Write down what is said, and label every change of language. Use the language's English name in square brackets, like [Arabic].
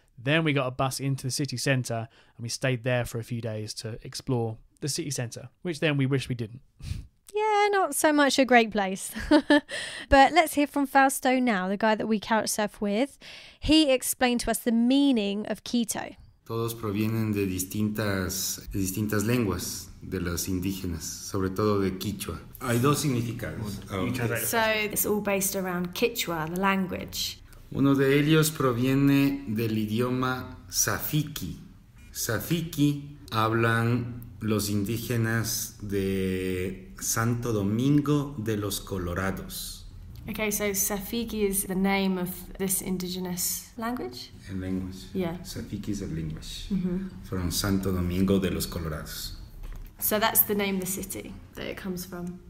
[English] Then we got a bus into the city center, and we stayed there for a few days to explore the city center, which then we wish we didn't. Yeah, not so much a great place. But let's hear from Fausto now, the guy that we couch surf with. He explained to us the meaning of Quito. [Spanish] Todos provienen de distintas lenguas de los indígenas, sobre todo de Quichua. Hay dos significados. [English] So it's all based around Quichua, the language. [Spanish] Uno de ellos proviene del idioma Safiki. Safiki hablan los indígenas de Santo Domingo de los Colorados. [English] Okay, so Safiki is the name of this indigenous language? A language. Yeah. Safiki is a language. Mm-hmm. From Santo Domingo de los Colorados. So that's the name of the city that it comes from.